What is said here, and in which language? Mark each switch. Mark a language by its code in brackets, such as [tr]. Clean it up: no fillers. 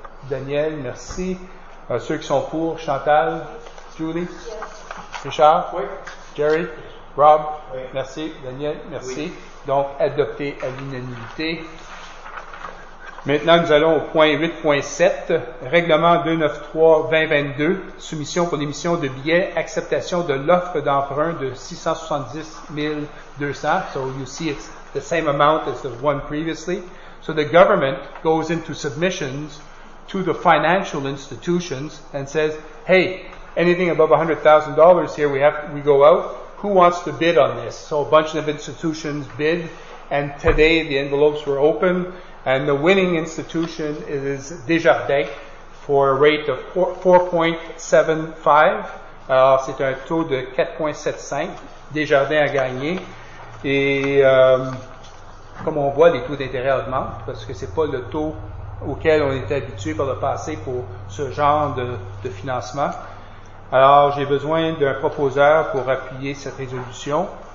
[fr] Daniel, merci. Ceux qui sont pour, Chantal, Julie, Richard, Jerry, Rob, merci, Daniel, merci. Oui. Donc, adopté à l'unanimité. Maintenant, nous allons au point 8.7, règlement 293-2022, soumission pour l'émission de billets, acceptation de l'offre d'emprunt de $670,200. [en] So, you see, it's the same amount as the one previously. So, the government goes into submissions to to the financial institutions and says, hey, anything above $100,000 here, we go out. Who wants to bid on this? So a bunch of institutions bid, and today the envelopes were open, and the winning institution is Desjardins for a rate of 4.75. [fr] C'est un taux de 4.75. Desjardins a gagné. Et comme on voit, les taux d'intérêt augmentent parce que c'est pas le taux auquel on était habitué par le passé pour ce genre de financement. Alors, j'ai besoin d'un proposeur pour appuyer cette résolution.